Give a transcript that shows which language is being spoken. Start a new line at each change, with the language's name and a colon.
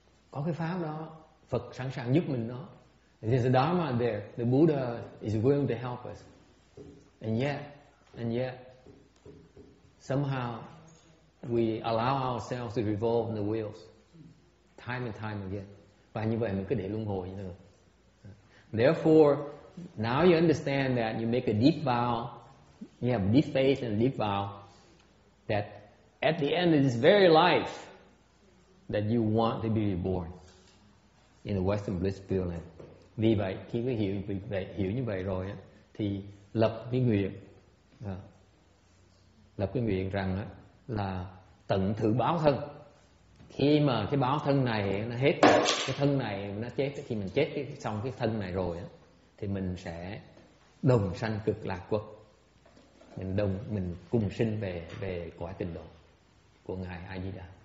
Vietnamese: Có cái pháp đó, Phật sẵn sàng giúp mình đó.
English: There's a Dharma there, the Buddha is willing to help us. And yet, somehow we allow ourselves to revolve in the wheels, time and time again.
Vietnamese: Và như vậy mình cứ để luân hồi như thế.
English: Therefore, now you understand that you make a deep vow, you have deep faith and deep vow, that at the end of this very life, that you want to be reborn in the Western Bliss Pureland.
Vietnamese: Vì vậy khi có hiểu vậy, hiểu như vậy rồi á, thì lập cái nguyện à, lập cái nguyện rằng á, là tận thử báo thân. Khi mà cái báo thân này nó hết, cái thân này nó chết, khi mình chết cái, xong cái thân này rồi á, thì mình sẽ đồng sanh cực lạc quốc, mình đồng mình cùng sinh về về cõi tịnh độ của ngài A Di Đà.